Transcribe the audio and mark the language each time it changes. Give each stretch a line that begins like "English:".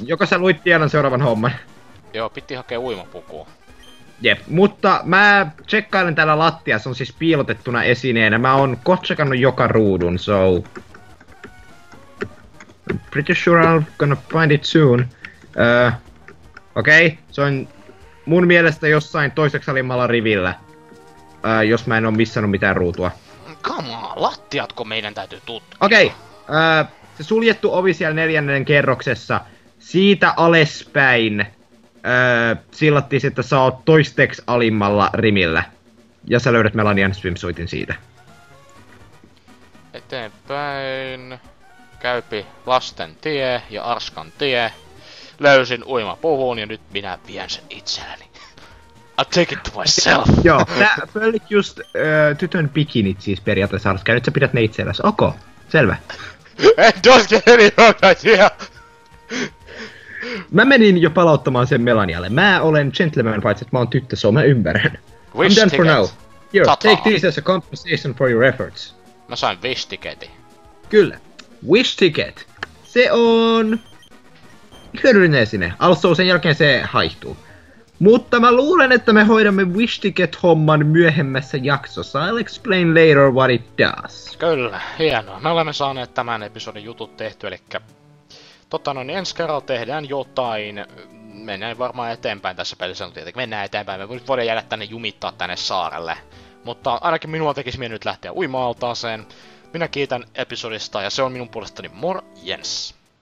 Finnish: Joko sä luit Dianan seuraavan homman? Joo, piti hakea uimapukua. Jep, mutta mä tsekkailen täällä lattia, se on siis piilotettuna esineenä. Mä oon kotsekannut joka ruudun, so...
English: I'm pretty sure I'm gonna find it soon.
Finnish: Okei, okay. Se on mun mielestä jossain toiseksi alimmalla rivillä. Jos mä en oo missannut mitään ruutua.
English: Come on,
Finnish: lattiatko meidän täytyy tutkia? Okei, okay. Se suljettu ovi siellä neljännen kerroksessa. Siitä alespäin... sillattis, että sä oot toisteks alimmalla rimillä. Ja sä löydät Melanian swimsuitin siitä. Eteenpäin... Käypi lasten tie ja arskan tie. Löysin uimapuhun ja nyt minä vien sen itselleni.
English: I take it to myself!
Finnish: Joo, sä pöllit just tytön bikinit siis periaatteessa arskan. Nyt sä pidät ne itselläs. Okei, okay, selvä. En tosken eli hokaisia! Mä menin jo palauttamaan sen Melanialle. Mä olen gentleman, paitsi että mä oon tyttö, so mä ymmärrän.
English: Wish I'm done ticket. For now. Here, ta-ta. Take this as a compensation for your efforts.
Finnish: Mä sain wish ticketi. Kyllä. Wish ticket. Se on... hyödyllinen esine. Also, sen jälkeen se haihtuu. Mutta mä luulen, että me hoidamme wish ticket-homman myöhemmässä jaksossa.
English: I'll explain later what it does.
Finnish: Kyllä, hienoa. Me olemme saaneet tämän episodin jutut tehty, elikkä... ensi kerralla tehdään jotain, mennään varmaan eteenpäin tässä pelissä, mutta tietenkin mennään eteenpäin, me voidaan jäädä tänne jumittaa tänne saarelle. Mutta ainakin minua tekisi mieli nyt lähteä uimaan altaaseen. Minä kiitän episodista, ja se on minun puolestani morjens.